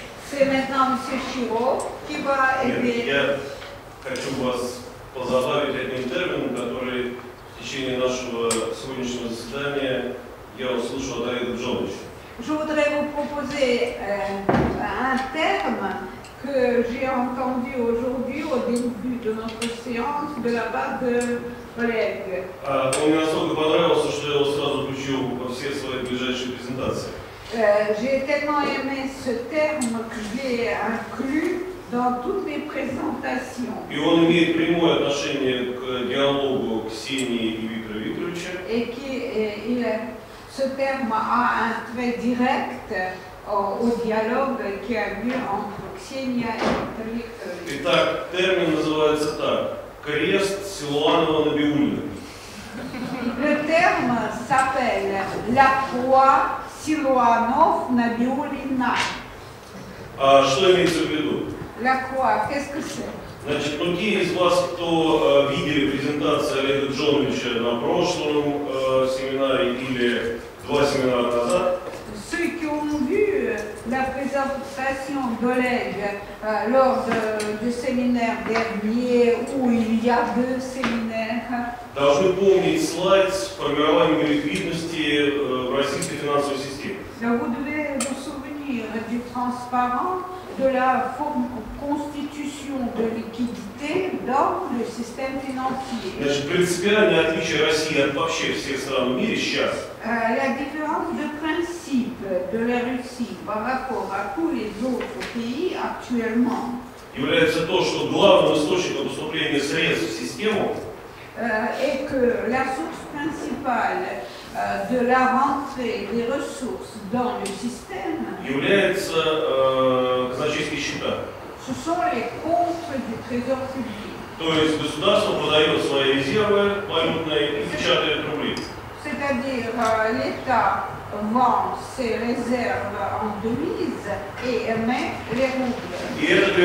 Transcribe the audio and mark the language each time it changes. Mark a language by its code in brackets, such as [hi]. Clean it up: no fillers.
[fr] C'est maintenant Monsieur Chirot qui va aider. [ru] Хочу вас позабавить одним термином, который в течение нашего сегодняшнего заседания я услышал от Давида Джоновича. [fr] Je voudrais vous proposer un terme que j'ai entendu aujourd'hui au début de notre séance de la part de Олег. [ru] Он мне настолько понравился, что я его сразу включил во все свои ближайшие презентации. [fr] J'ai tellement aimé ce terme que j'ai inclus dans toutes mes présentations. [ru] И он имеет прямое отношение к диалогу Ксении и Виктора Викторовича. [fr] Et qui ce terme a un trait direct au dialogue qui a eu entre Ксения и Виктор Викторович. [ru] Итак, термин называется так: крест Силуанова-Набиуллина. [fr] Le terme s'appelle la croix Силуанов-Набиуллина. [ru] А что имеется в виду? [fr] La croix, qu'est-ce que c'est? [ru] Значит, ну, те из вас, кто видели презентацию Олега Джоновича на прошлом семинаре или два семинара назад? [fr] Ceux qui ont vu la présentation d'Oleg lors du séminaire dernier ou il y a deux séminaires. [ru] Должны помнить слайд с формированием ликвидности в российской финансовой системе. [fr] Vous devez vous souvenir du transparent de la constitution de liquidité dans le système financier. [ru] Значит, принципиальное отличие России от вообще всех стран в мире сейчас. [fr] La différence de principe de la Russie par rapport à tous les autres pays actuellement. [ru] Является то, что главным источником поступления средств в систему. [fr] Et que la source principale de la rentrée des ressources dans le système [ru] является казначейские счета. [fr] Ce sont les comptes du trésor public. [ru] То есть государство продает свои резервы валютные и печатает рубли. [fr] C'est-à-dire l'État vend ses réserves en devise et émet les